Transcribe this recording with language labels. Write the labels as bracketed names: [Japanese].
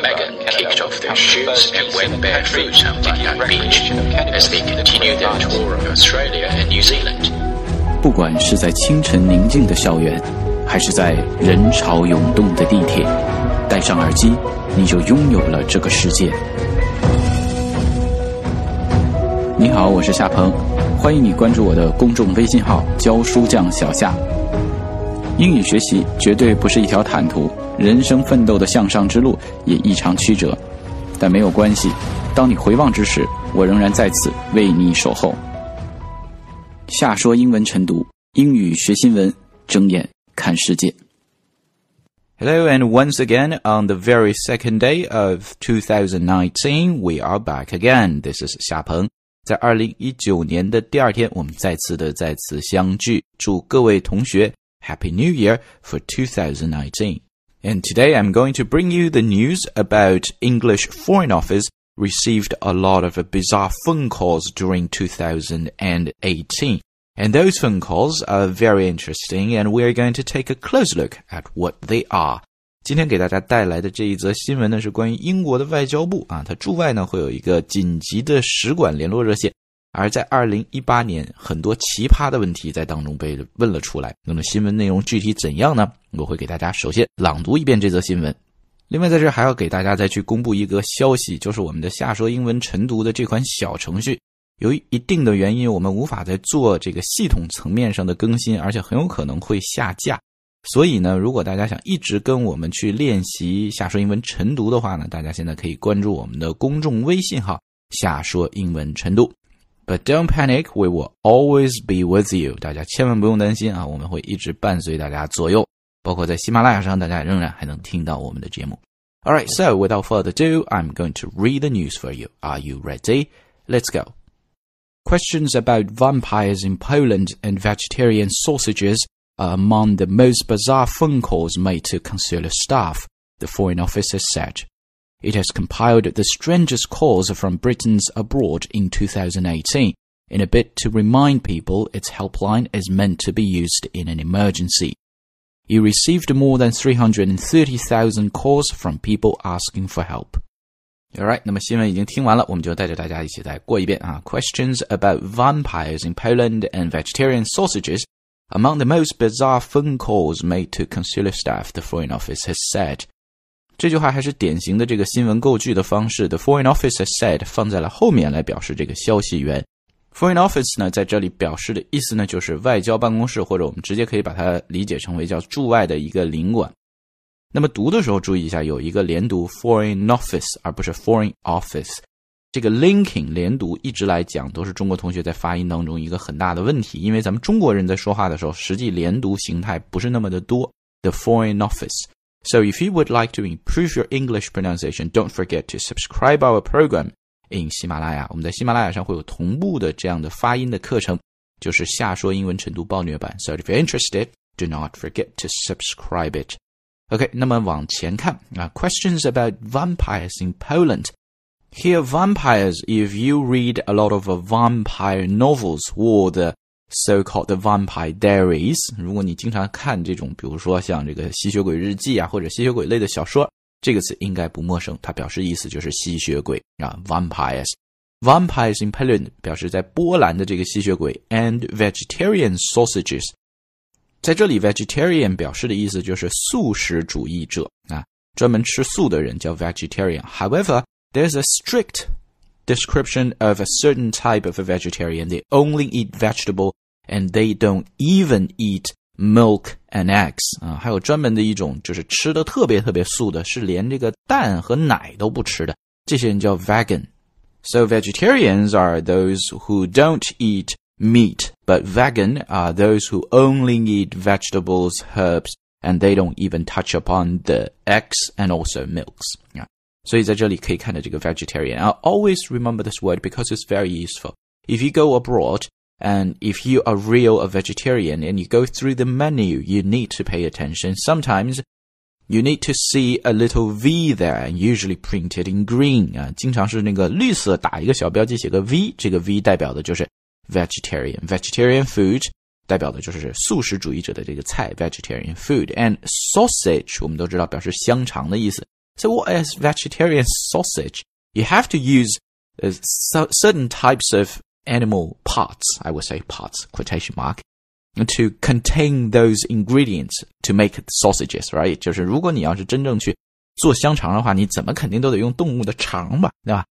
[English] Megan kicked off their shoes and went barefoot on Bondi Beach as they continued their tour of Australia and New Zealand. [Chinese] 不管是在清晨宁静的校园，还是在人潮涌动的地铁，戴上耳机，你就拥有了这个世界。你好，我是夏鹏，欢迎你关注我的公众微信号教书匠小夏。英语学习绝对不是一条坦途，人生奋斗的向上之路也异常曲折，但没有关系，当你回望之时，我仍然在此为你守候。夏说英文晨读，英语学新闻，睁眼看世界。 [English] Hello, and once again, on the very second day of 2019, we are back again. This is 夏鹏。 [Chinese] 在2019年的第二天，我们再次相聚。祝各位同学 [English] Happy New Year for 2019. And today I'm going to bring you the news about English Foreign Office received a lot of bizarre phone calls during 2018. And those phone calls are very interesting, and we're going to take a close look at what they are. [Chinese] 今天给大家带来的这一则新闻呢，是关于英国的外交部啊，它驻外呢会有一个紧急的使馆联络热线。而在2018年，很多奇葩的问题在当中被问了出来。那么新闻内容具体怎样呢？我会给大家首先朗读一遍这则新闻。另外在这还要给大家再去公布一个消息，就是我们的夏说英文晨读的这款小程序，由于一定的原因，我们无法再做这个系统层面上的更新，而且很有可能会下架。所以呢，如果大家想一直跟我们去练习夏说英文晨读的话呢，大家现在可以关注我们的公众微信号夏说英文晨读。 [English] But don't panic, we will always be with you. [Chinese] 大家千万不用担心啊，我们会一直伴随大家左右。包括在喜马拉雅上，大家仍然还能听到我们的节目。 [English] Alright, so without further ado, I'm going to read the news for you. Are you ready? Let's go. Questions about vampires in Poland and vegetarian sausages. Among the most bizarre phone calls made to consular staff, the Foreign Office has said. It has compiled the strangest calls from Britons abroad in 2018, in a bid to remind people its helpline is meant to be used in an emergency. It received more than 330,000 calls from people asking for help. [Chinese] Alright, 那么新闻已经听完了，我们就带着大家一起再过一遍啊。 [English] Questions about vampires in Poland and vegetarian sausages. Among the most bizarre phone calls made to consular staff, the Foreign Office has said. [Chinese] 这句话还是典型的这个新闻构句的方式。 [English] The Foreign Office has said [Chinese] 放在了后面来表示这个消息源。 Foreign Office 呢，在这里表示的意思呢，就是外交办公室，或者我们直接可以把它理解成为叫驻外的一个领馆。那么读的时候注意一下，有一个连读 Foreign Office 而不是 Foreign Office。这个 linking 连读一直来讲都是中国同学在发音当中一个很大的问题，因为咱们中国人在说话的时候实际连读形态不是那么的多。 [English] The Foreign Office. So if you would like to improve your English pronunciation, don't forget to subscribe our program in 喜马拉雅。 [Chinese] 我们在喜马拉雅上会有同步的这样的发音的课程，就是夏说英文晨读暴虐版。 [English] So if you're interested, do not forget to subscribe it. OK, [Chinese] 那么往前看、 [English] Questions about vampires in Poland. Here, vampires, if you read a lot of vampire novels or the so-called the vampire diaries, [Chinese] 如果你经常看这种比如说像这个吸血鬼日记啊，或者吸血鬼类的小说，这个词应该不陌生，它表示意思就是吸血鬼啊 ,vampires. [English] Vampires in Poland [Chinese] 表示在波兰的这个吸血鬼 [English] and vegetarian sausages. [Chinese] 在这里 vegetarian 表示的意思就是素食主义者啊，专门吃素的人叫 vegetarian. [English] However,There's a strict description of a certain type of a vegetarian. They only eat vegetable and they don't even eat milk and eggs.、 [Chinese] 还有专门的一种就是吃的特别特别素的，是连这个蛋和奶都不吃的，这些人叫 vegan. [English] So vegetarians are those who don't eat meat, but vegan are those who only eat vegetables, herbs, and they don't even touch upon the eggs and also milks.、 [Chinese] 所以在这里可以看到这个 vegetarian. [English] I always remember this word because it's very useful. If you go abroad, and if you are real a vegetarian, and you go through the menu, you need to pay attention. Sometimes You need to see a little V there, usually printed in green. [Chinese] 啊，经常是那个绿色打一个小标记写个 V, 这个 V 代表的就是 vegetarian, vegetarian food, 代表的就是素食主义者的这个菜 vegetarian food, and sausage, 我们都知道表示香肠的意思。 [English] So what is vegetarian sausage? You have to use certain types of animal parts, I would say parts, quotation mark,to contain those ingredients to make sausages, right? [Chinese] 就是如果你要是真正去做香肠的话，你怎么肯定都得用动物的肠吧，对吧？